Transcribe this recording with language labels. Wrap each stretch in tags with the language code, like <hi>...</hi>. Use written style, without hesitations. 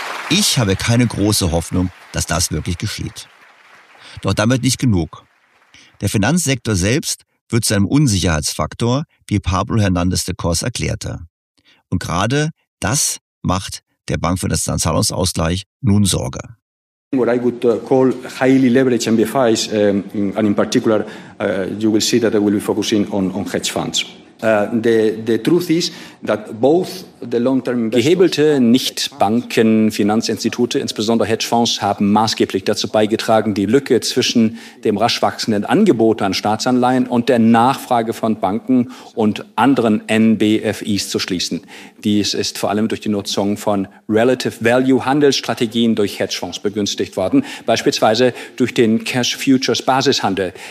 <de>Ich habe keine große Hoffnung, dass das wirklich geschieht. Doch damit nicht genug. Der Finanzsektor selbst wird zu einem Unsicherheitsfaktor, wie Pablo Hernández de Cos erklärte. Und gerade das macht der Bank für den Zahlungsausgleich nun Sorge.</de> <en>What I would call highly leveraged MBFIs, and in particular, you will see that I will be focusing on hedge funds. The truth is that both the long-term</en> <de>gehebelte Nichtbanken, Finanzinstitute, insbesondere Hedgefonds, haben maßgeblich dazu beigetragen, die Lücke zwischen dem rasch wachsenden Angebot an Staatsanleihen und der Nachfrage von Banken und anderen NBFIs zu schließen. Dies ist vor allem durch die Nutzung von Relative Value Handelsstrategien durch Hedgefonds begünstigt worden, beispielsweise durch den Cash Futures Basishandel.</de>